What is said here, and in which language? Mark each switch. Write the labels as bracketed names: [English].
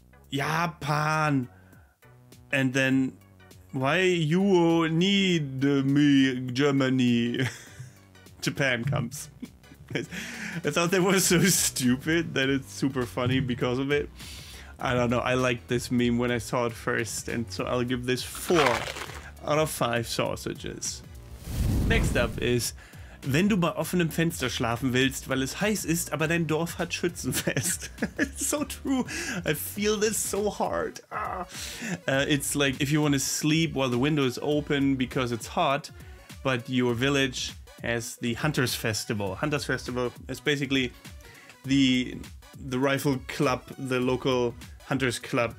[English] Yeah, pan. And then, why you need me, Germany? Japan comes. I thought that was so stupid that it's super funny because of it. I don't know, I liked this meme when I saw it first, and so I'll give this 4 out of 5 sausages. Next up is, [German] wenn du bei offenem Fenster schlafen willst, weil es heiß ist, aber dein Dorf hat Schützenfest. [English] It's so true. I feel this so hard. Ah. It's like if you want to sleep while the window is open because it's hot, but your village as the Hunters Festival. Hunters Festival is basically the rifle club, the local hunters club.